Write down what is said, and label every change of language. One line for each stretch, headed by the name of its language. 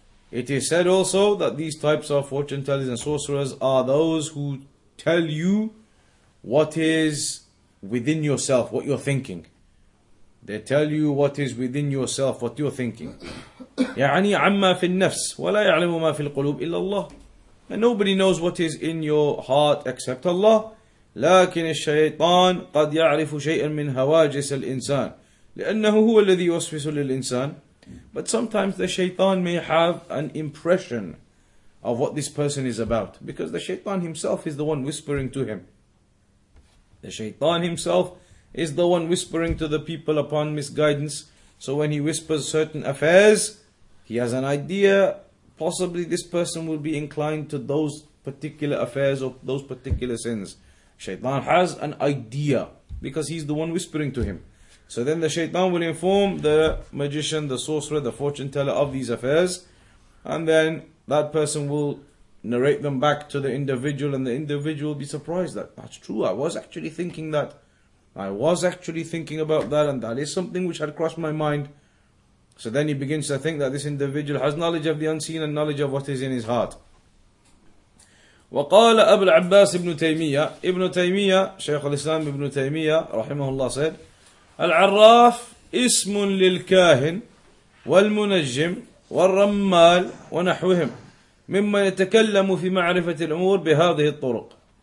English: It is said also that these types of fortune tellers and sorcerers are those who tell you what is within yourself, what you're thinking. They tell you what is within yourself, what you're thinking.
Arabic: يعني عَمَّا فِي النَّفْسِ وَلَا يَعْلَمُ مَا فِي الْقُلُوبِ إِلَّا اللَّهِ.
English: And nobody knows what is in your heart except Allah.
Arabic: لكن الشيطان قد يعرف شيئا من هواجس الإنسان لأنه هو الذي يوسوس للإنسان.
English: But sometimes the shaytan may have an impression of what this person is about, because the shaytan himself is the one whispering to him. The shaytan himself is the one whispering to the people upon misguidance. So when he whispers certain affairs, he has an idea. Possibly this person will be inclined to those particular affairs or those particular sins. Shaytan has an idea because he's the one whispering to him. So then the shaytan will inform the magician, the sorcerer, the fortune teller of these affairs. And then that person will narrate them back to the individual, and the individual will be surprised that that's true. I was actually thinking that. I was actually thinking about that, and that is something which had crossed my mind. So then he begins to think that this individual has knowledge of the unseen and knowledge of what is in his heart.
Arabic: وقال أبو العباس ابن تيمية. ابن تيمية, شيخ الإسلام ابن تيمية رحمه الله
English: said,
Arabic: العراف اسم للكاهن والمنجم والرمال ونحوهم مما يتكلم في معرفة الأمور بهذه الطرق.